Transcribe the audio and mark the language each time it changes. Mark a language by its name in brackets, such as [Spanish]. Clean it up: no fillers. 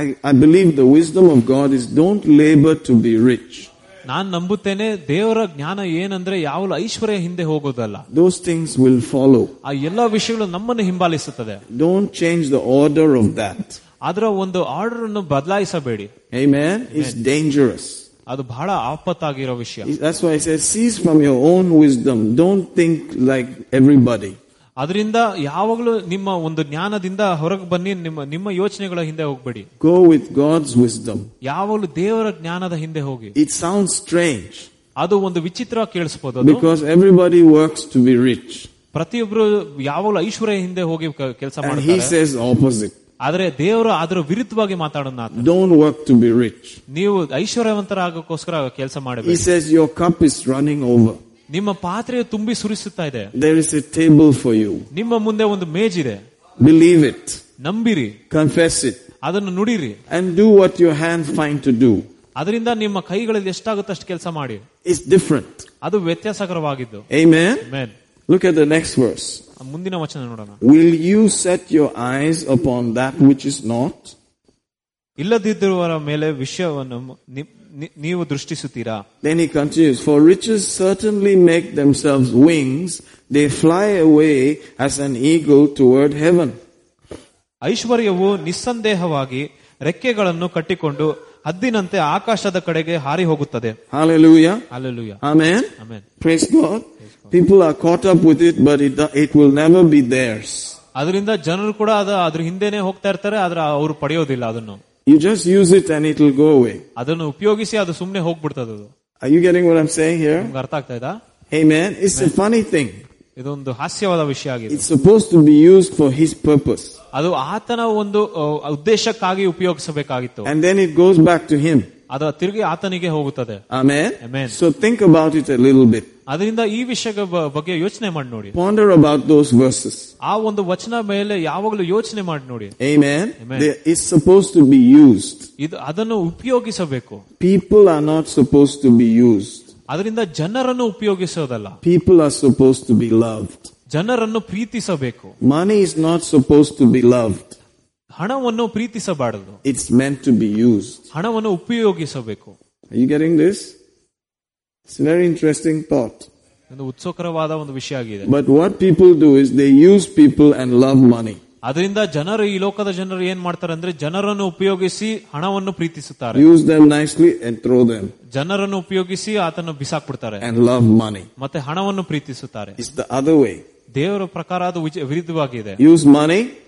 [English] I believe the wisdom of God is don't labor to be rich. [Kannada] ನಾನು ನಂಬುತ್ತೇನೆ ದೇವರ ಜ್ಞಾನ ಏನಂದ್ರೆ ಯಾವಾಗ ಐಶ್ವರ್ಯ ಹಿಂದೆ ಹೋಗೋದಲ್ಲ. [English] Those things will follow. [Kannada] ಆ ಎಲ್ಲ ವಿಷಯಗಳು ನಮ್ಮನ್ನು ಹಿಂಬಾಲಿಸುತ್ತದೆ. [English] Don't change the order of that. [Kannada] ಅದರ ಒಂದು ಆರ್ಡರ್ ಅನ್ನು ಬದಲಾಯಿಸಬೇಡಿ. [English] Amen. It's dangerous. [Kannada] ಅದು ಬಹಳ ಆಪತ್ತಾಗಿರೋ ವಿಷಯ. [English] That's why I said cease from your own wisdom. Don't think like everybody. [Kannada] ಅದರಿಂದ ಯಾವಾಗಲೂ ನಿಮ್ಮ ಒಂದು ಜ್ಞಾನದಿಂದ ಹೊರಗೆ ಬನ್ನಿ. ನಿಮ್ಮ ಯೋಚನೆಗಳ ಹಿಂದೆ ಹೋಗ್ಬೇಡಿ. [English] Go with God's wisdom. [Kannada] ಯಾವಾಗಲೂ ದೇವರ ಜ್ಞಾನದ ಹಿಂದೆ ಹೋಗಿ. [English] It sounds strange. [Kannada] ಅದು ಒಂದು ವಿಚಿತ್ರ ಕೇಳಿಸಬಹುದು. [English] Because everybody works to be rich. [Kannada] ಪ್ರತಿಯೊಬ್ಬರು ಯಾವಾಗಲೂ ಐಶ್ವರ್ಯ ಹಿಂದೆ ಹೋಗಿ ಕೆಲಸ ಮಾಡಿ. ಆದರೆ ದೇವರು ಅದರ ವಿರುದ್ಧವಾಗಿ ಮಾತಾಡೋಣ. [English] Don't work to be rich. [Kannada] ನೀವು ಐಶ್ವರ್ಯವಂತರಾಗೋಸ್ಕರ ಕೆಲಸ ಮಾಡಬೇಕು. [English] He says your cup is running over. [Kannada] ನಿಮ್ಮ ಪಾತ್ರೆ ತುಂಬಿ ಸುರಿಸುತ್ತಾ ಇದೆ. [English] There is a table for you. [Kannada] ನಿಮ್ಮ ಮುಂದೆ ಒಂದು ಮೇಜ್ ಇದೆ. [English] Believe it. [Kannada] ನಂಬಿರಿ. [English] Confess it. [Kannada] ಅದನ್ನು ನುಡಿರಿ. [English] And do what your hand find to do. [Kannada] ಅದರಿಂದ ನಿಮ್ಮ ಕೈಗಳಲ್ಲಿ ಎಷ್ಟಾಗುತ್ತೆ ಅಷ್ಟು ಕೆಲಸ ಮಾಡಿ. [English] It's different. [Kannada] ಅದು ವ್ಯತ್ಯಾಸಕರವಾಗಿದ್ದು. [English] Amen. Look at the next verse. [Kannada] ಮುಂದಿನ ವಚನ ನೋಡೋಣ. [English] Will you set your eyes upon that which is not. [Kannada] ಇಲ್ಲದಿದ್ದರ ಮೇಲೆ ವಿಷಯವನ್ನು ನೀವು ದೃಷ್ಟಿಸುತ್ತೀರಾ? [English] Then he continues, for riches certainly make themselves wings, they fly away as an eagle toward heaven. [Kannada] ಐಶ್ವರ್ಯವು ನಿಸ್ಸಂದೇಹವಾಗಿ ರೆಕ್ಕೆಗಳನ್ನು ಕಟ್ಟಿಕೊಂಡು ಹದ್ದಿನಂತೆ ಆಕಾಶದ ಕಡೆಗೆ ಹಾರಿ ಹೋಗುತ್ತದೆ. Hallelujah. Hallelujah. Amen. Amen. [English] Praise God. People are caught up with it, but it will never be theirs. [Kannada] ಅದರಿಂದ ಜನರು ಕೂಡ ಅದರ ಹಿಂದೆನೆ ಹೋಗ್ತಾ ಇರ್ತಾರೆ, ಆದ್ರೆ ಅವರು ಪಡೆಯೋದಿಲ್ಲ ಅದನ್ನು. [English] You just use it and it will go away. [Kannada] ಅದನ್ನು ಉಪಯೋಗಿಸಿ ಅದು ಸುಮ್ಮನೆ ಹೋಗ್ಬಿಡ್ತದೆ. [English] Are you getting what I'm saying here? [Kannada] ನಿಮಗೆ ಅರ್ಥ ಆಗ್ತಾ ಇದೆ? [English] Amen. It's a funny thing. [Kannada] ಇದೊಂದು ಹಾಸ್ಯವಾದ ವಿಷಯ ಆಗಿದೆ. [English] It's supposed to be used for his purpose. [Kannada] ಅದು ಆತನ ಒಂದು ಉದ್ದೇಶಕ್ಕಾಗಿ ಉಪಯೋಗಿಸಬೇಕಾಗಿತ್ತು. [English] And then it goes back to him. [Kannada] ಅದು ತಿರುಗಿ ಆತನಿಗೆ ಹೋಗುತ್ತದೆ. Amen. Amen. [English] So think about it a little bit. [Kannada] ಅದರಿಂದ ಈ ವಿಷಯದ ಬಗ್ಗೆ ಯೋಚನೆ ಮಾಡಿ ನೋಡಿ. [English] Ponder about those verses. [Kannada] ಆ ಒಂದು ವಚನ ಮೇಲೆ ಯಾವಾಗಲೂ ಯೋಚನೆ ಮಾಡಿ ನೋಡಿ. [English] Amen. It's supposed to be used. [Kannada] ಇದು ಅದನ್ನು ಉಪಯೋಗಿಸಬೇಕು. [English] People are not supposed to be used. [Kannada] ಅದರಿಂದ ಜನರನ್ನು ಉಪಯೋಗಿಸೋದಲ್ಲ. [English] People are supposed to be loved. [Kannada] ಜನರನ್ನು ಪ್ರೀತಿಸಬೇಕು. [English] Money is not supposed to be loved. [Kannada] ಹಣವನ್ನು ಪ್ರೀತಿಸಬಾರದು. [English] It's meant to be used. [Kannada] ಹಣವನ್ನು ಉಪಯೋಗಿಸಬೇಕು. [English] Are you getting this? It's a very interesting thought. [Kannada] ಒಂದು ಉತ್ಸುಕರವಾದ ಒಂದು ವಿಷಯ ಆಗಿದೆ. [English] But what people do is they use people and love money. [Kannada] ಅದರಿಂದ ಜನರು ಈ ಲೋಕದ ಜನರು ಏನ್ ಮಾಡ್ತಾರೆ ಅಂದ್ರೆ ಜನರನ್ನು ಉಪಯೋಗಿಸಿ ಹಣವನ್ನು ಪ್ರೀತಿಸುತ್ತಾರೆ. [English] Use them nicely and throw them. [Kannada] ಜನರನ್ನು ಉಪಯೋಗಿಸಿ ಆತನ್ನು ಬಿಸಾಕ್ಬಿಡ್ತಾರೆ. [English] And love money. [Kannada] ಮತ್ತೆ ಹಣವನ್ನು ಪ್ರೀತಿಸುತ್ತಾರೆ. [English] It's the other way. [Kannada] ದೇವರ ಪ್ರಕಾರ ಅದು ವಿರುದ್ಧವಾಗಿದೆ. [English] Use money.